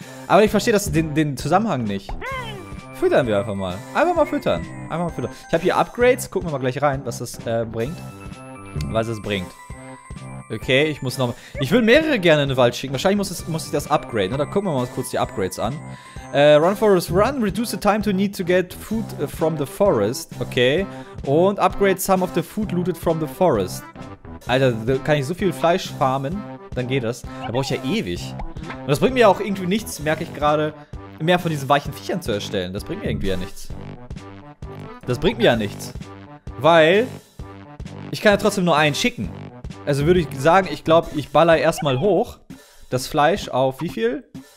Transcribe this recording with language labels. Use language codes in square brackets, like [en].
[de] Aber ich verstehe den Zusammenhang nicht. Füttern wir einfach mal. Einfach mal füttern. Ich habe hier Upgrades. Gucken wir mal gleich rein, was das bringt. Okay, ich muss noch mal. Ich will mehrere gerne in den Wald schicken. Wahrscheinlich muss ich das upgraden. Da gucken wir mal kurz die Upgrades an. [en] Run Forest Run. Reduce the time to need to get food from the forest. Okay. Und upgrade some of the food looted from the forest. [de] Alter, da kann ich so viel Fleisch farmen. Dann geht das. Da brauche ich ja ewig. Und das bringt mir ja auch irgendwie nichts, merke ich gerade, mehr von diesen weichen Viechern zu erstellen. Das bringt mir irgendwie ja nichts. Weil ich kann ja trotzdem nur einen schicken. Also würde ich sagen, ich glaube, ich baller erstmal hoch das Fleisch auf wie viel?